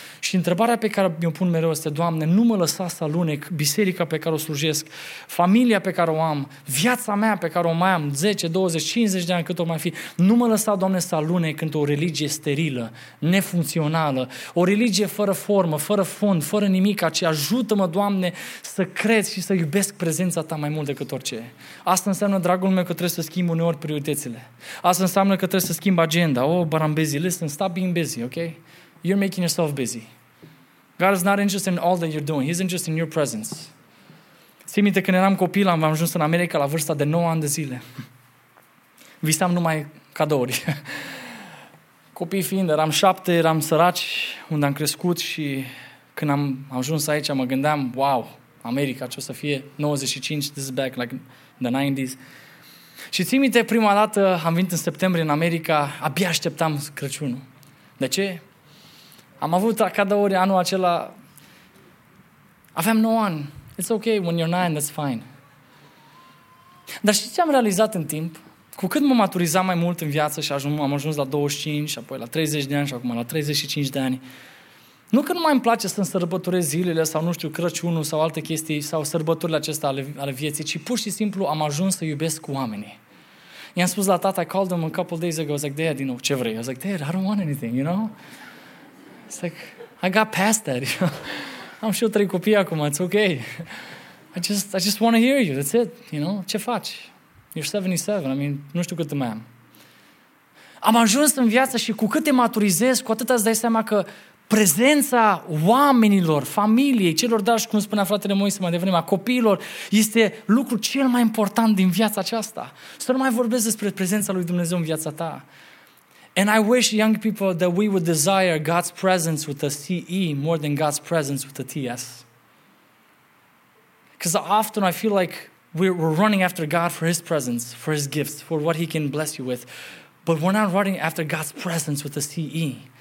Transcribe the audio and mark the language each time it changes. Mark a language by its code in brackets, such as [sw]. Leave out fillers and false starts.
[ro] Și întrebarea pe care mi-o pun mereu este, Doamne, nu mă lăsa să alunec biserica pe care o slujesc, familia pe care o am, viața mea pe care o mai am, 10, 20, 50 de ani cât o mai fi, nu mă lăsa, Doamne, să alunec într-o religie sterilă, nefuncțională, o religie fără formă, fără fond, fără nimic, ci ajută-mă, Doamne, să cred și să iubesc prezența Ta mai mult decât orice. Asta înseamnă, dragul meu, că trebuie să schimb uneori prioritățile. Asta înseamnă că trebuie să schimb agenda. [en] Oh, but I'm busy. Listen, stop being busy, okay? you're making yourself busy. God is not interested in all that you're doing. He's interested in your presence. [ro] Țin minte când eram copil, am ajuns în America la vârsta de 9 ani de zile. Visam numai cadouri. Copii fiind, eram 7, eram săraci unde am crescut și când am ajuns aici, mă gândeam, wow, America, ce o să fie 95, [en] this is back, like the 90s. [ro] Și țin minte, prima dată am venit în septembrie în America, abia așteptam Crăciunul. De ce? Am avut cadouri anul acela, aveam 9 ani. [en] It's okay when you're 9, that's fine. [ro] Dar știți ce am realizat în timp? Cu cât mă maturizam mai mult în viață și am ajuns la 25, apoi la 30 de ani și acum la 35 de ani, nu că nu mai îmi place să-mi sărbătorez zilele sau, nu știu, Crăciunul sau alte chestii sau sărbătorile acestea ale vieții, ci pur și simplu am ajuns să iubesc oamenii. I-am spus la tata, [en] I called him a couple days ago, I was like, Dad, you know, [ro] ce vrei? [en] I was like, Dad, I don't want anything, you know? It's like, I got past that. [ro] Am și eu 3 copii acum, [en] it's okay. I just want to hear you, that's it, you know? [ro] Ce faci? [en] You're 77, I mean, [ro] nu știu cât mai am. Am ajuns în viață și cu cât te maturizezi, cu atât îți dai seama că prezența oamenilor, familiei, celor dragi, cum spunea fratele Moise mai devreme, a copiilor, este lucru cel mai important din viața aceasta. Să nu mai vorbesc despre prezența lui Dumnezeu în viața ta. [en] And I wish young people that we would desire God's presence with a CE more than God's presence with a TS. Because often I feel like we're running after God for His presence, for His gifts, for what He can bless you with. But we're not running after God's presence with a CE.